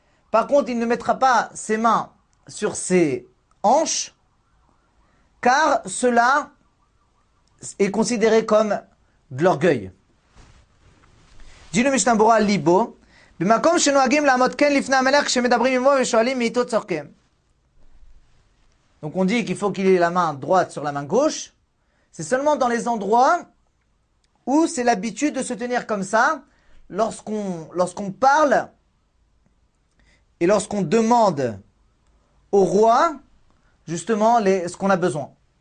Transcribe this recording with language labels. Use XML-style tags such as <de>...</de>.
<fr>Par contre, il ne mettra pas ses mains sur ses hanches, car cela est considéré comme de l'orgueil. Dino Mishnah Bura Libo.</fr> <he>במקום שנוהגים לעמוד כן לפני המלך כשמדברים עמו ושואלים מאיתו צורכם.</he> <fr>Donc on dit qu'il faut qu'il ait la main droite sur la main gauche. C'est seulement dans les endroits où c'est l'habitude de se tenir comme ça lorsqu'on parle et lorsqu'on demande au roi justement ce qu'on a besoin.</fr>